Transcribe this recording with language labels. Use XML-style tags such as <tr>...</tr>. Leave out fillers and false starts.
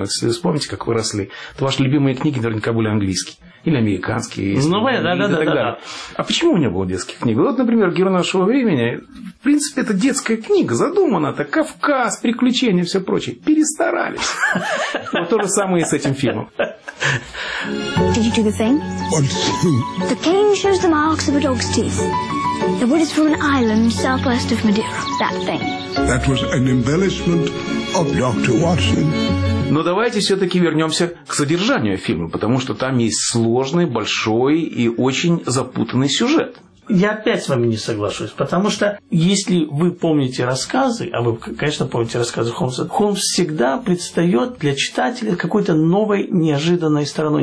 <ru>Вот если вспомните, как вы росли, то ваши любимые книги наверняка были английские. Или американские. Ну, да, да, да, да. А почему у меня было детских книг? Вот, например, «Герой нашего времени», в принципе, это детская книга, задумана так, Кавказ, приключения, все прочее. Перестарались. То же самое и с этим фильмом.</ru> <en>Did you do the thing? The cane shows the marks of a dog's teeth. The wood is from an island southwest of Madeira. That thing. That was an embellishment of Dr. Watson.</en> <ru>Но давайте все-таки вернемся к содержанию фильма, потому что там есть сложный, большой и очень запутанный сюжет. Я опять с вами не соглашусь, потому что если вы помните рассказы, а вы, конечно, помните рассказы Холмса, Холмс всегда предстает для читателя какой-то новой неожиданной стороной.</ru>